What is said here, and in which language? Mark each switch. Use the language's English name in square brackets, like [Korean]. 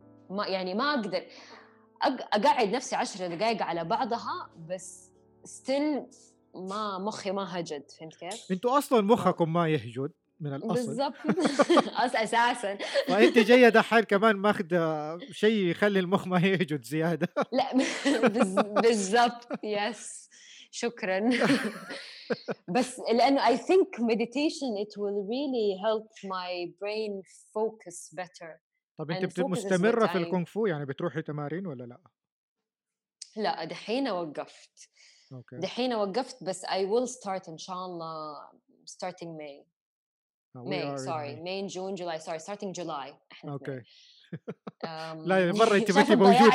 [Arabic] ما يعني ما أقدر أقعد نفسي 10 دقائق على بعضها بس still ما مخي ما هجد فهمت كيف؟ أنتوا أصلاً مخكم ما يهجد من الأصل. بالضبط أساساً. وأنت جاية دحين كمان ماخد شيء يخلي المخ ما يهجد زيادة. لا بالضبط yes. شكراً. بس لأنه [English] I think meditation it will really help my brain focus better. [Arabic] طب أنت مستمرة في الكونغ فو يعني بتروحي تمارين ولا لا؟ لا دحين وقفت. [English] Okay. [Arabic] دحين وقفت بس [English] I will start [Arabic] إن شاء الله [English] starting May. May sorry May June July sorry starting July. [Arabic] Okay. لا مرة أنت بس موجودة.